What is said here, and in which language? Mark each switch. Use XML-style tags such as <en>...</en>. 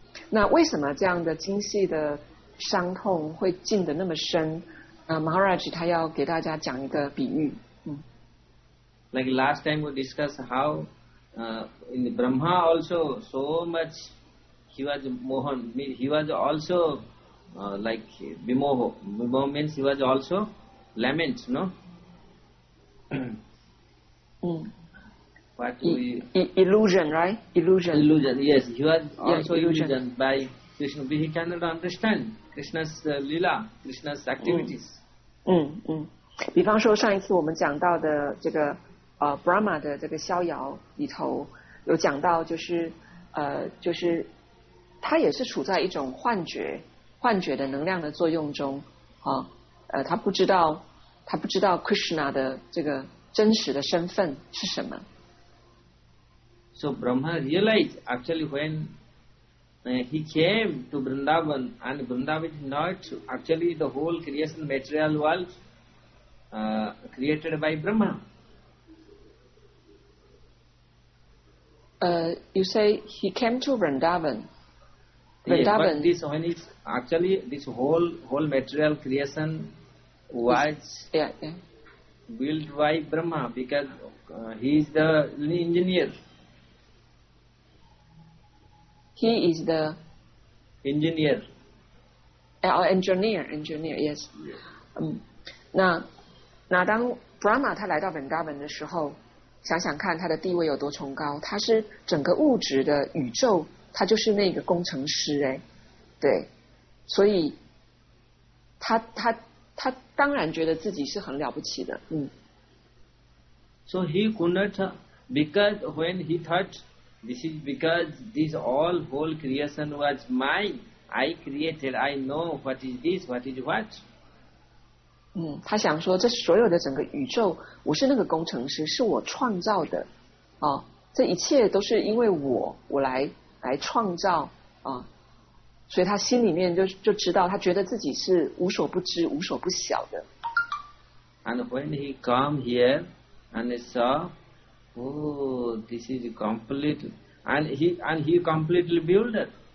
<zh>那为什么这样的精细的伤痛会进得那么深？ Maharaj 他要给大家讲一个比喻。</zh> <en>Like last time we discussed how in the Brahma also so much he was Mohan, he was also like Vimoho. Vimoho means he was also lament, no? What illusion, right? Illusion. Illusion, yes. He was also illusion by Krishna. But he cannot understand Krishna's lila, Krishna's activities.</en> <zh>比方说上一次我们讲到的这个Brahma 的这个逍遥里头有讲到，就是就是他也是处在一种幻觉的能量的作用中啊，他不知道 Krishna 的这个真实的身份是什么。</zh> <en>So Brahma realized actually when he came to Vrindavan, and Vrindavan is not actually the whole creation material world created by Brahma. You say he came to Vrindavan. Vrindavan. Yes, but this one is actually this whole material creation was built by Brahma because he is the engineer. He is the engineer. Engineer, yes.</en> <zh>那当 Brahma 他来到 Vrindavan 的时候。想想看他的地位有多崇高，他是整个物质的宇宙，他就是那个工程师，哎，对，所以他当然觉得自己是很了不起的。</zh> <en>So he could not, because when he thought this is because this all whole creation was mine, I created, I know what is this, what is what.</en> <zh>他想说这所有的整个宇宙我是那个工程师，是我创造的啊，这一切都是因为我来创造啊，所以他心里面就知道，他觉得自己是无所不知无所不晓的。</zh> <en>And when he come here and he saw, oh, this is complete, and he completely build it.</en>